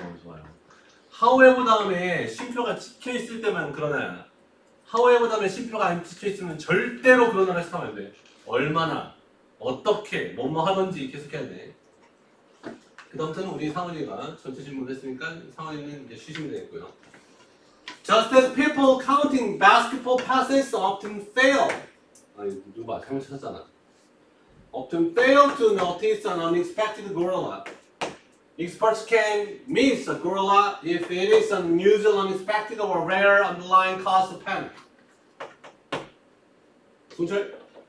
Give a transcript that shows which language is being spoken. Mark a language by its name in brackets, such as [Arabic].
[Korean] 좋아요. however 다음에 쉼표가 찍혀 있을 때만 그러나 however 다음에 쉼표가 안 찍혀 있으면 절대로 그러나를 쓰면 안 돼. 얼마나 어떻게 뭐뭐 하던지 계속 해야 돼. 그 다음부터는 우리 상훈이가 전체 질문을 했으니까 상훈이는 이제 쉬시면 되겠고요. [English] just as people counting basketball passes often fail. [Korean] 아니 누가 상훈 찾았잖아. [English] often fail to notice an unexpected gorilla. Experts can miss a gorilla if it is unusual, unexpected, or rare underlying cause of panic. [Korean] 순철?